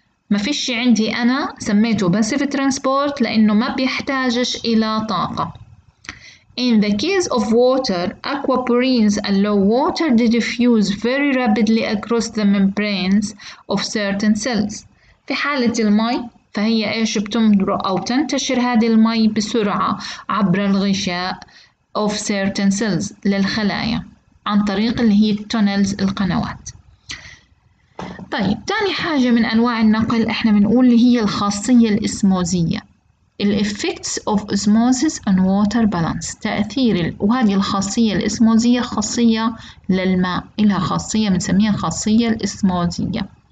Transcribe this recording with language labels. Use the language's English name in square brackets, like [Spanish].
[Arabic] ما فيش عندي أنا سميته passive transport لأنه ما بيحتاجش إلى طاقة. [English] In the case of water, aquaporins allow water to diffuse very rapidly across the membranes of certain cells. [Arabic] في حالة المي فهي إيش بتمرق أو تنتشر هذه المي بسرعة عبر الغشاء [English] of certain cells [Arabic] للخلايا عن طريق اللي هي التونلز القنوات. طيب تاني حاجة من أنواع النقل إحنا بنقول اللي هي الخاصية الإسموزية، ال [English] effects of osmosis on water balance، [Arabic] تأثير وهذه الخاصية الإسموزية خاصية للماء، إلها خاصية بنسميها الخاصية الإسموزية.